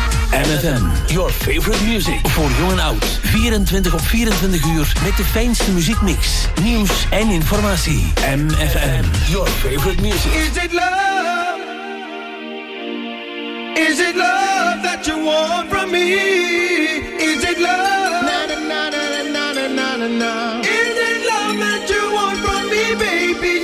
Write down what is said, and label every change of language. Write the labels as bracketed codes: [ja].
[en] MFM, your favorite music. [nl] Voor jong en oud. 24 op 24 uur met de fijnste muziekmix, nieuws en informatie. [en] MFM, your favorite music. Is it love? Is it love that you want from me? Is it love? Na na na na na na na na na na. Is it love that you want from me, baby?